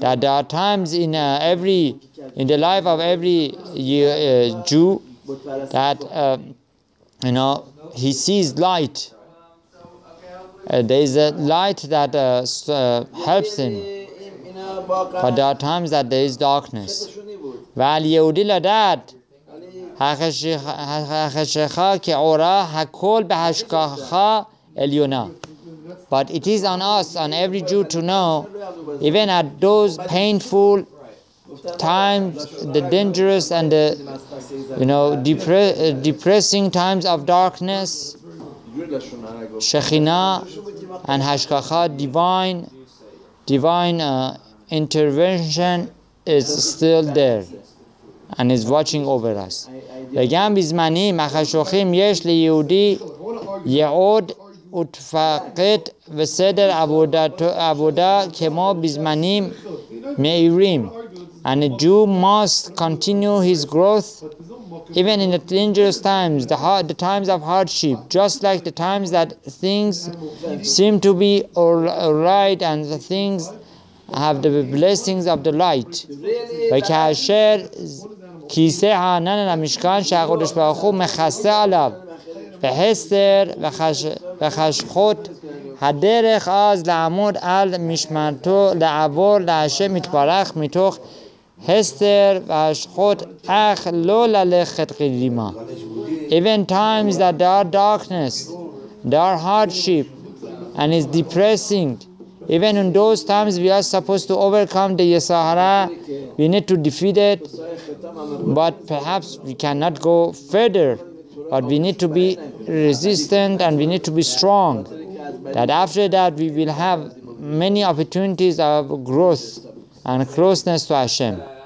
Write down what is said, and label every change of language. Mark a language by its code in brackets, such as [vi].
[en] That there are times in the life of every Jew that he sees light. There is a light that helps him, but there are times that there is darkness. [he] ועל יהודי לדעת החשיכה כאורה הכל בהשכחה עליונה. [en] But it is on us, on every Jew, to know, even at those painful times, the dangerous and the depressing times of darkness, Shekhina and Hashkacha, divine intervention is still there and is watching over us. [he] וגם בזמנים החשוכים יש ליהודי יעוד ותפקד וסדר עבודה כמו בזמנים מאירים. [en] And a Jew must continue his growth even in the dangerous times, the times of hardship, just like the times that things seem to be all right and the things have the blessings of the light. [he] וכאשר כיסא הענן על המשכן שהקדוש ברוך הוא מכסה עליו בחסר וחשכות הדרך אז לעמוד על משמרתו לעבור להשם יתברך מתוך הסתר והשכות אך לא ללכת קדימה. [en] Even times that there are darkness, there are hardship and it's depressing, even in those times we are supposed to overcome the Yisahara, we need to defeat it, but perhaps we cannot go further, but we need to be resistant and we need to be strong, that after that we will have many opportunities of growth and closeness to Hashem.